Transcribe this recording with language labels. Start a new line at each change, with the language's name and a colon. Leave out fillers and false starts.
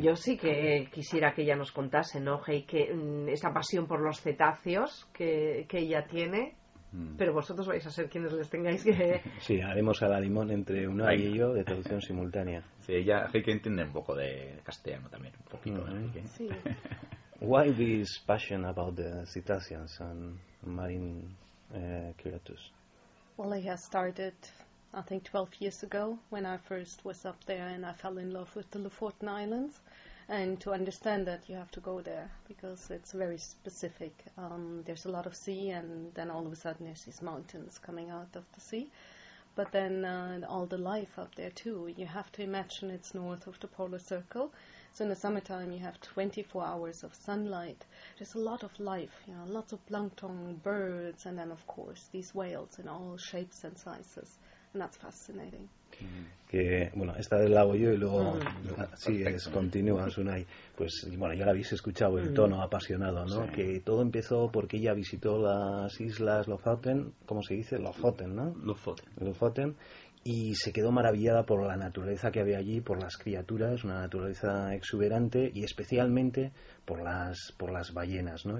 Spanish: Yo sí que quisiera que ella nos contase, ¿no, Heike? Esa pasión por los cetáceos que ella tiene. Pero vosotros vais a ser quienes les tengáis que... Sí, haremos a la limón entre Unai y yo de traducción simultánea. Sí, ella hay que entender un poco de castellano también, un poquito. Mm-hmm. ¿Eh? Sí.
English: Why this passion about the cetaceans and marine creatures? Well, I started, I think, 12 years ago when I first was up there and I fell in love with the Lofoten Islands. And to understand that, you have to go there, because it's very specific. There's a lot of sea, and then all of a sudden there's these mountains coming out of the sea. But then all the life up there, too, you have to imagine it's north of the polar circle. So in the summertime, you have 24 hours of sunlight. There's a lot of life, you know, lots of plankton, birds, and then, of course, these whales in all shapes and sizes. And that's fascinating.
Spanish: Que bueno, esta vez la hago yo y luego sí, es continúa Unai. Pues bueno, ya la habéis escuchado el tono apasionado, ¿no? Sí. Que todo empezó porque ella visitó las islas Lofoten, ¿cómo se dice? Lofoten, ¿no? Lofoten, y se quedó maravillada por la naturaleza que había allí, por las criaturas, una naturaleza exuberante y especialmente por las ballenas, ¿no?